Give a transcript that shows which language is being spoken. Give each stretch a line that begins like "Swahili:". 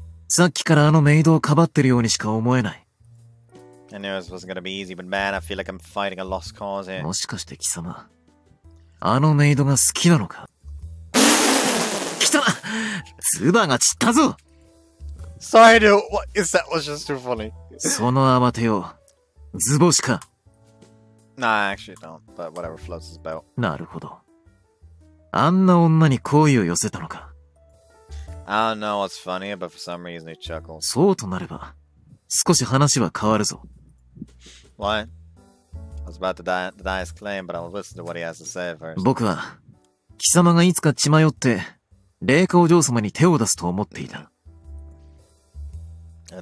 Japanese: さっきからあのメイドをかばってるようにしか思えない。
English: I knew this wasn't gonna be easy, but man, I feel like I'm fighting a lost cause here.
Japanese: もしかして貴様、あのメイドが好きなのか? きた!唾が散ったぞ!
English: Sorry, dude, what is that? Was just too funny.
Japanese: その慌てよう、図星か?
English: Nah, I actually don't, but whatever floats his boat.
Japanese: なるほど。あんな女に好意を寄せたのか?
English: I don't know what's funny, but for some reason he chuckled.
Japanese: そうとなれば、少し話は変わるぞ。
English: What? I was about to deny his claim, but I'll listen to what he has to say first.
Japanese: 僕は、貴様がいつか血迷って、霊華お嬢様に手を出すと思っていた。
English: I'd